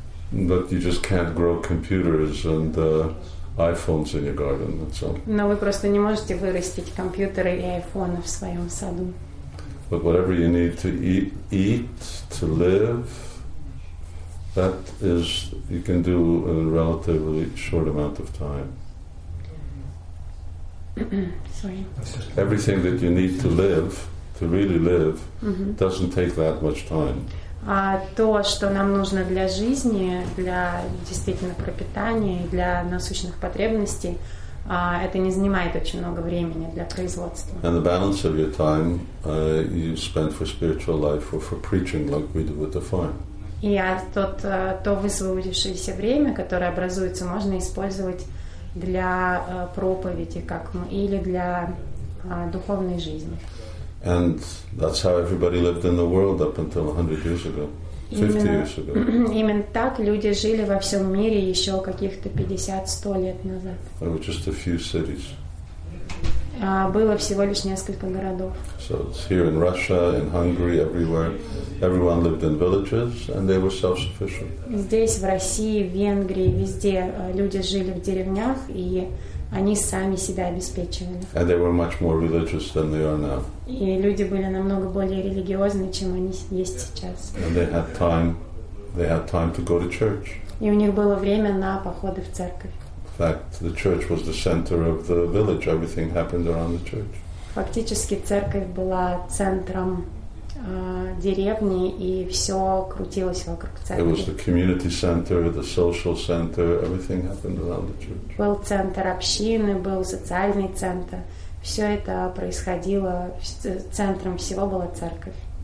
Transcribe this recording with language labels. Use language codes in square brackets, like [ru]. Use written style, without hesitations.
[en] But you just can't grow computers and iPhones in your garden, that's all. [ru] Но вы просто не можете вырастить компьютеры и айфоны в своем саду. [en] But whatever you need to eat to live, that is you can do in a relatively short amount of time. Sorry. Everything that you need to live, to really live, mm-hmm. doesn't take that much time. [ru] То, что нам нужно для жизни, для действительно пропитания и для насущных потребностей, это не занимает очень много времени для производства. [en] And the balance of your time you spend for spiritual life or for preaching, like we do with the farm. [ru] И то высвободившееся время, которое образуется, можно использовать для проповеди, как мы, или для духовной жизни. [en] And that's how everybody lived in the world up until 100 years ago, 50 years ago. [ru] Именно так люди жили во всем мире еще каких-то 50-100 лет назад. [en] There were just a few cities. [ru] Было всего лишь несколько городов. [en] So it's here in Russia, in Hungary, everywhere. Everyone lived in villages, and they were self-sufficient. [ru] Здесь, в России, в Венгрии, везде люди жили в деревнях, и они сами себя обеспечивали. [en] And they were much more religious than they are now. [ru] И люди были намного более религиозны, чем они есть сейчас. [en] And they had time to go to church. [ru] И у них было время на походы в церковь. [en] In fact, the church was the center of the village. Everything happened around the church. [ru] Фактически церковь была центром деревни, и все крутилось вокруг церкви. [en] It was the community center, the social center. Everything happened around the church. [ru] Был центр общины, был социальный центр. Все это происходило. Центром всего была церковь.